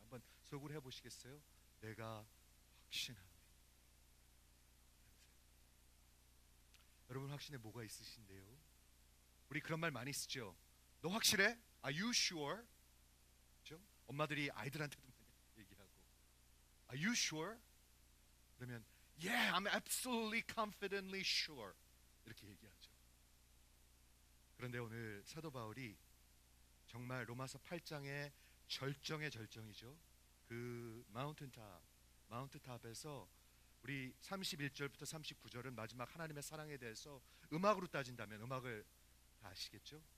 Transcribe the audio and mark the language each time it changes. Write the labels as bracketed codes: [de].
[ko] 한번 속으로 해보시겠어요? 내가 확신하노니. 여러분, 확신에 뭐가 있으신데요? 우리 그런 말 많이 쓰죠. 너 확실해? [en] Are you sure? [ko] 그렇죠? 엄마들이 아이들한테도 많이 얘기하고 [en] Are you sure? [ko] 그러면 [en] Yeah, I'm absolutely confidently sure. [ko] 이렇게 얘기하죠. 그런데 오늘 사도 바울이 정말 로마서 8장의 절정의 절정이죠. 그 마운트탑에서 우리 31절부터 39절은 마지막 하나님의 사랑에 대해서 음악으로 따진다면 음악을 다 아시겠죠?